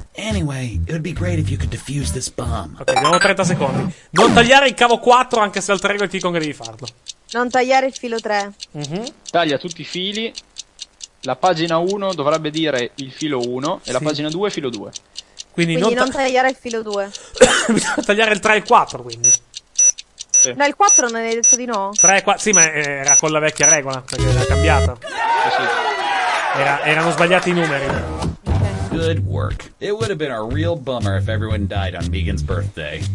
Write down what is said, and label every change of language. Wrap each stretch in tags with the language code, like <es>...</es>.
<en>Anyway, it would be great if you could defuse this bomb.</en> <it>Ok, abbiamo 30 secondi. Non tagliare il cavo 4, anche se altre regole ti dicono che devi farlo. Non tagliare il filo 3. Taglia tutti i fili. La pagina 1 dovrebbe dire il filo 1. E sì, la pagina 2 filo 2. Quindi non tagliare il filo 2. Bisogna tagliare il 3 e il 4, quindi. No, il 4 non hai detto di no? 3 e 4, sì, ma era con la vecchia regola, perché era cambiata. Erano sbagliati i numeri.</it> <en>Good work. It would have been a real bummer if everyone died on Megan's birthday.</en>